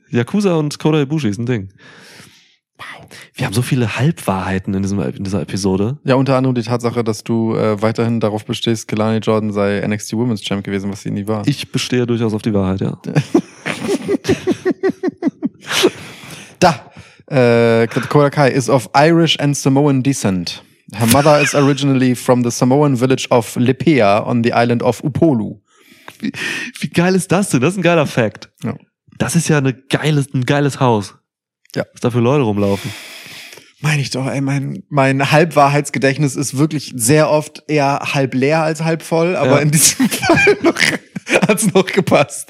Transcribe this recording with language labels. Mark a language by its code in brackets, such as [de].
[de] Yakuza und Kota Ibushi ist ein Ding. Wow. Wir haben so viele Halbwahrheiten in dieser Episode. Ja, unter anderem die Tatsache, dass du weiterhin darauf bestehst, Kalani Jordan sei NXT Women's Champ gewesen, was sie nie war. Ich bestehe durchaus auf die Wahrheit, ja. Da! [en] Kota Kai is of Irish and Samoan descent. Her mother is originally from the Samoan village of Lipea on the island of Upolu. [de] Wie geil ist das denn? Das ist ein geiler Fact. Ja. Das ist ja ein geiles Haus. Ja. Was da für Leute rumlaufen. Meine ich doch, ey, mein Halbwahrheitsgedächtnis ist wirklich sehr oft eher halb leer als halb voll, aber in diesem Fall hat es noch gepasst.